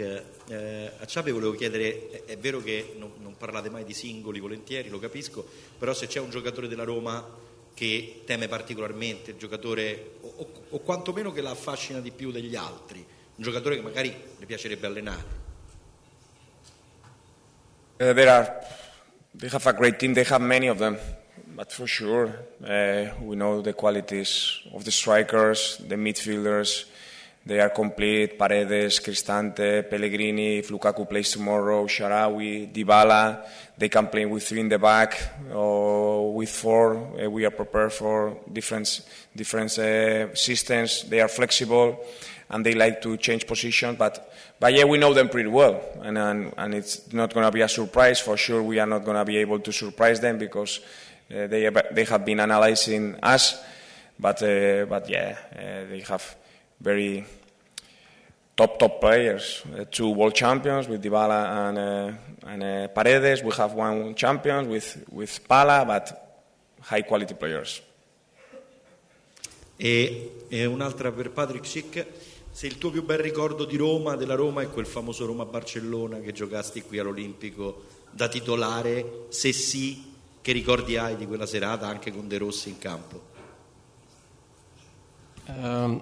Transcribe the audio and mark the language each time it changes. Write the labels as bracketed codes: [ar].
[it] A Xabi volevo chiedere, è vero che non parlate mai di singoli volentieri, lo capisco, però se c'è un giocatore della Roma che teme particolarmente, il giocatore o quantomeno che la affascina di più degli altri, un giocatore che magari le piacerebbe allenare. [en] They have a great team, they have many of them. But for sure, we know the qualities of the strikers, the midfielders. They are complete. Paredes, Cristante, Pellegrini, if Lukaku plays tomorrow, Sharawi, Dybala. They can play with three in the back or with four. We are prepared for different systems. They are flexible and they like to change positions. But yeah, we know them pretty well. And it's not going to be a surprise. For sure, we are not going to be able to surprise them because they have been analyzing us, but they have very top players, two world champions with Dybala and Paredes. We have one champion with Pala, but high quality players. [it] E un'altra per Patrick Schick. Se il tuo più bel ricordo di Roma, della Roma, è quel famoso Roma-Barcellona che giocasti qui all'Olimpico da titolare, se sì, che ricordi hai di quella serata anche con De Rossi in campo?